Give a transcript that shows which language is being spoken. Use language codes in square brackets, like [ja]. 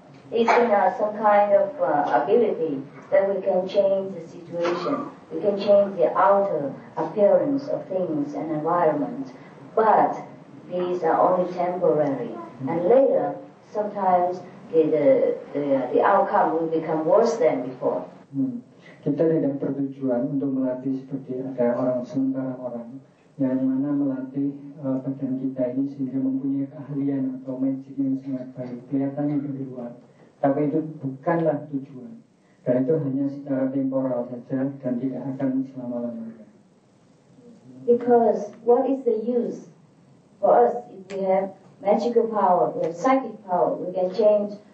[en] these things are some kind of ability that we can change the situation, we can change the outer appearance of things and environment, but these are only temporary, and later, sometimes the outcome will become worse than before. [id] Kita tidak bertujuan untuk melatih seperti ada orang sementara orang yang mana melatih badan kita ini sehingga mempunyai keahlian atau magic yang sangat baik kelihatannya dari luar, tapi itu bukanlah tujuan dan itu hanya secara temporal saja dan tidak akan selama-lamanya. [en] Because what is the use for us if we have magical power, we have psychic power, we can change